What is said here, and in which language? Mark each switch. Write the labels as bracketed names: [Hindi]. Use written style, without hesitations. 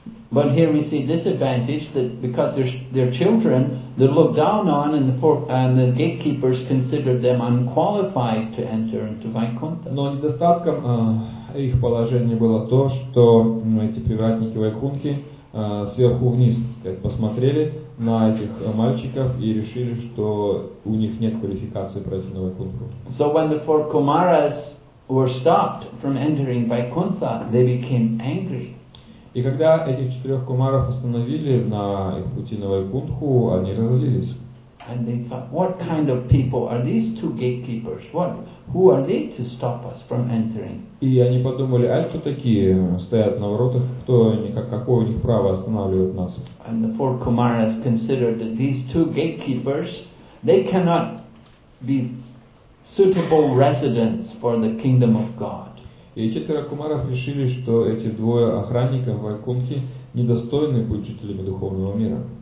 [English] But here we see disadvantage that because they're children, they're looked down on, and the gatekeepers considered them unqualified to enter into Vaikuntha. [Russian] Но недостатком их положения было то, что эти привратники Вайкунтхи сверху вниз, как посмотрели на этих мальчиков и решили, что у них нет квалификации пройти на Вайкунтху. [English] So when the four Kumaras were stopped from entering Vaikuntha, they became angry. [Russian] И когда этих четырех кумаров остановили на их пути на Вайкунтху, они разозлились. [English] And they thought, what kind of people are these two gatekeepers? What? Who are they to stop us from entering? [Russian] И они подумали, а кто такие стоят на воротах? Кто они? Какое у них право останавливать нас? [English] And the four kumaras considered that these two gatekeepers, they cannot be suitable residents for the kingdom of God. [Russian] И четверо кумаров решили, что эти двое охранников Вайкунтхи недостойны быть жителями духовного мира.